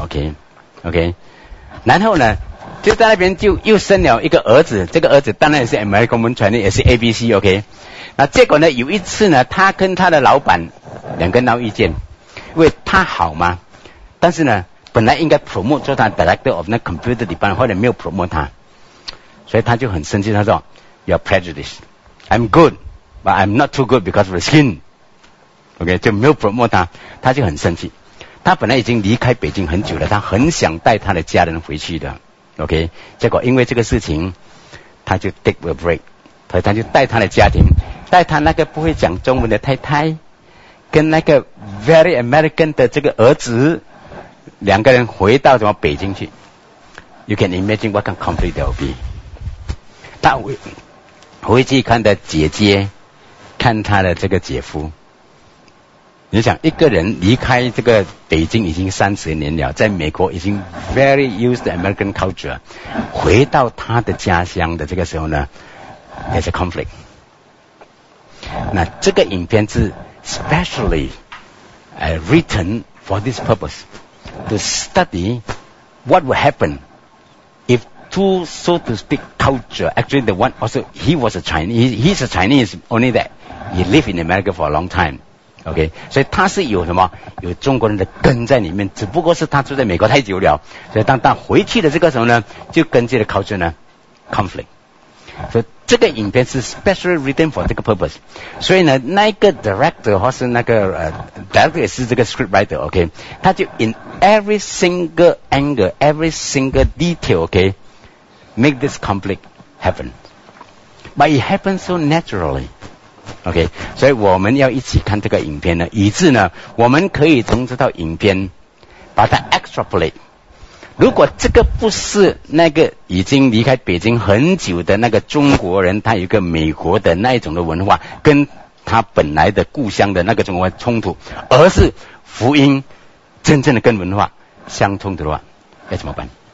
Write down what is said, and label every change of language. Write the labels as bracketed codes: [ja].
[zh] OK OK， 然后呢，就在那边就又生了一个儿子，这个儿子当然也是 [en] American born Chinese， [zh] 也是 ABC。 OK， 那结果呢，有一次呢，他跟他的老板两个闹意见，因为他好嘛，但是呢，本来应该 promote 做他 director of 那 computer department， 后来没有 promote 他，所以他就很生气，他说 ， [en] You're prejudiced。 I'm good, but I'm not too good because of the skin. [zh] OK， 就没有 promote 他，他就很生气。他本来已经离开北京很久了，他很想带他的家人回去的。 OK， 结果因为这个事情，他就 [en] take a break， [zh] 所以他就带他的家庭，带他那个不会讲中文的太太，跟那个 [en] very American [zh] 的这个儿子，两个人回到什么北京去。 [en] You can imagine what kind of conflict there will be. [zh] 他会。回去看的姐姐，看他的这个姐夫。你想，一个人离开这个北京已经30年了，在美国已经 [en] very used American culture， [zh] 回到他的家乡的这个时候呢， [en] there's a conflict。 [zh] 那这个影片是 [en] specially written for this purpose， to study what will happen if。 Two, so to speak, culture. Actually, the one also, he was a Chinese. He's a Chinese, only that he lived in America for a long time. Okay. [zh] 所以他是有什么？有中国人的根在里面，只不过是他住在美国太久了。所以当他回去的这个时候呢，就跟这个 culture 呢 conflict. 所以这个影片是 [en] specially written for [zh] 这个 purpose. 所以呢，那个 director 或是那个director 也是这个 script writer. [en] Okay. [zh] 他就 [en] in every single angle, every single detail. Okay. Make this conflict happen. But it happens so naturally. Okay. [zh] 所以我们要一起看这个影片呢，以致呢，我们可以从这套影片把它 extrapolate. 如果这个不是那个已经离开北京很久的那个中国人，他有一个美国的那一种的文化，跟他本来的故乡的那个中国文化冲突，而是福音真正的跟文化相冲突的话，要怎么办？